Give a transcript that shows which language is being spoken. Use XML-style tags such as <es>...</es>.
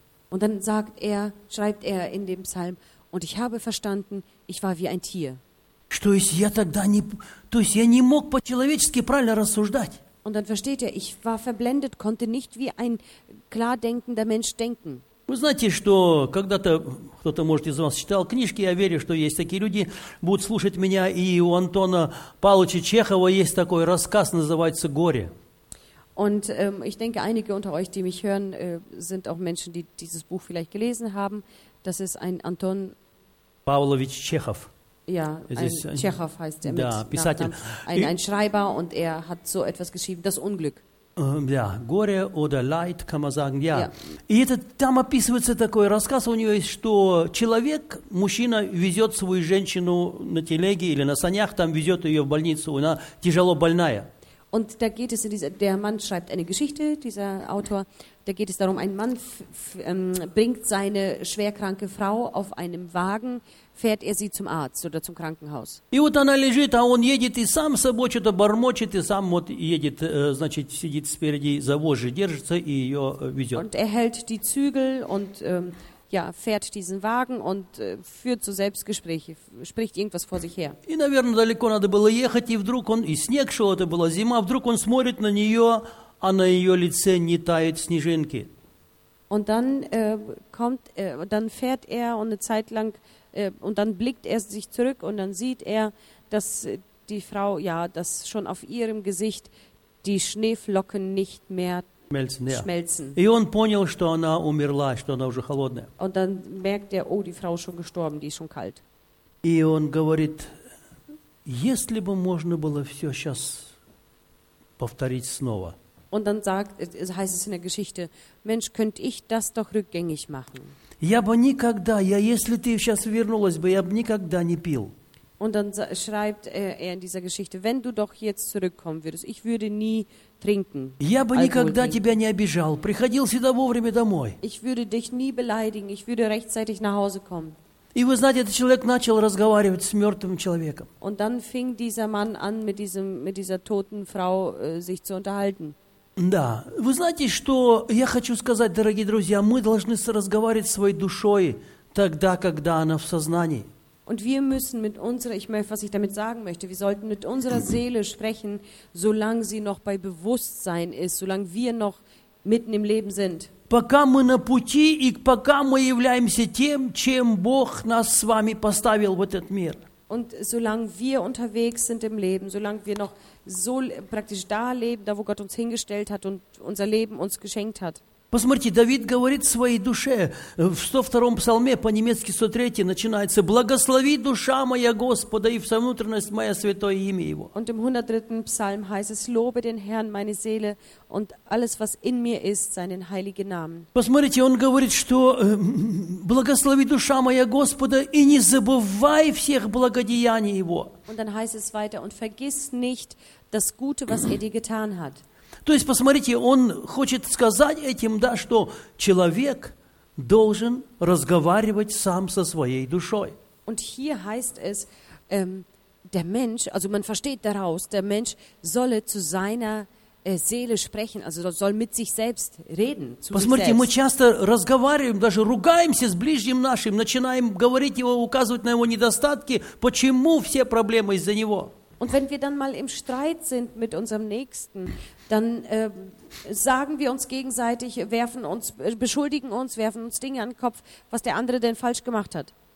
<de>Und dann sagt er, schreibt er in dem Psalm, und ich habe verstanden, ich war wie ein Tier.</de> <ru>Что есть, я тогда не, то есть я не мог по-человечески правильно рассуждать.</ru> <de>Und dann versteht er, ich war verblendet, konnte nicht wie ein klar denkender Mensch denken.</de> <ru>Вы знаете, что когда-то кто-то, может, из вас читал книжки, я верю, что есть такие люди, будут слушать меня, и у Антона Павловича Чехова есть такой рассказ, называется «Горе».</ru> <de>Und ich denke, einige unter euch, die mich hören, sind auch Menschen, die dieses Buch vielleicht gelesen haben. Das ist ein Anton...</de> <ru>Павлович Чехов.</ru> <de>Ja, ein Chekhov heißt er</de> <ru>да,</ru> <de>mit</de> <ru>писатель.</ru> <de>Nachnamen. Ein Schreiber, und er hat so etwas geschrieben, das Unglück. Ja, горе oder Leid, kann man sagen, ja.</de> <ru>И это, там описывается такой рассказ, у него есть, что человек, мужчина, везет свою женщину на телеге или на санях, там везет ее в больницу, она тяжело больная.</ru> <de>Und da geht es, der Mann schreibt eine Geschichte, dieser Autor, da geht es darum, ein Mann bringt seine schwerkranke Frau auf einem Wagen, fährt er sie zum Arzt oder zum Krankenhaus.</de> <ru>И вот она лежит, а он едет и сам с собой что-то бормочет, и сам вот едет, значит, сидит спереди, за вожжи держится и ее везет.</ru> <de>Und er hält die Zügel und ja, fährt diesen Wagen und führt zu Selbstgespräche, spricht irgendwas vor sich her.</de> <ru>И, наверное, далеко надо было ехать, и вдруг он, и снег шел, это была зима, вдруг он смотрит на нее, а на ее лице не тают снежинки.</ru> <de>Und dann dann fährt er und eine Zeit lang und dann blickt er sich zurück und dann sieht er, dass die Frau, ja, dass schon auf ihrem Gesicht die Schneeflocken nicht mehr schmelzen.</de> <ru>И он понял, что она умерла, что она уже холодная.</ru> <de>Und dann merkt er, oh, die Frau ist schon gestorben, die ist schon kalt.</de> <ru>И он говорит, если бы можно было все сейчас повторить снова.</ru> <de>Und dann sagt, es heißt es in der Geschichte, Mensch, könnte ich das doch rückgängig machen?</de> <ru>Я бы никогда, я, если ты сейчас вернулась бы, я бы никогда не пил.</ru> <de>Und dann schreibt er in dieser Geschichte, wenn du doch jetzt zurückkommen würdest, ich würde nie trinken.</de> <ru>Я бы никогда тебя не обижал, приходил всегда вовремя домой.</ru> <de>Ich würde dich nie beleidigen, ich würde rechtzeitig nach Hause kommen.</de> <ru>И вы знаете, этот человек начал разговаривать с мертвым человеком.</ru> <de>Und dann fing dieser Mann an, mit dieser toten Frau sich zu unterhalten.</de> <ru>Да, вы знаете, что я хочу сказать, дорогие друзья, мы должны разговаривать с своей душой тогда, когда она в сознании.</ru> <de>Und wir müssen mit unserer, ich meine, was ich damit sagen möchte, wir sollten mit unserer Seele sprechen, solange sie noch bei Bewusstsein ist, solange wir noch mitten im Leben sind.</de> <ru>Пока мы на пути и пока мы являемся тем, чем Бог нас с вами поставил в этот мир.</ru> <de>Und solange wir unterwegs sind im Leben, solange wir noch so praktisch da leben, da wo Gott uns hingestellt hat und unser Leben uns geschenkt hat.</de> <ru>Посмотрите, Давид говорит своей душе в 102-м псалме, по-немецки 103-й, начинается «Благослови душа моя Господа и вся внутренность моя святое имя Его».</ru> <de>Und im 103. Psalm heißt es «Lobe den Herrn, meine Seele, und alles, was in mir ist, seinen heiligen Namen».</de> <ru>Посмотрите, он говорит, что «Благослови душа моя Господа и не забывай всех благодеяний Его».</ru> <de>Und dann heißt es weiter «Und vergiss nicht das Gute, was er dir getan hat».</de> <ru>То есть, посмотрите, он хочет сказать этим, да, что человек должен разговаривать сам со своей душой.</ru> <de>Und hier heißt es, der Mensch, also man versteht daraus, der Mensch solle zu seiner Seele sprechen, also soll mit sich selbst reden.</de> <ru>Посмотрите, мы часто разговариваем, даже ругаемся с ближним нашим, начинаем говорить его, указывать на его недостатки, почему все проблемы из-за него.</ru> <de>Und wenn wir dann mal im Streit sind mit unserem Nächsten, dann sagen wir uns gegenseitig, werfen uns, beschuldigen uns, werfen uns Dinge an den Kopf, was der andere denn falsch gemacht hat.</de>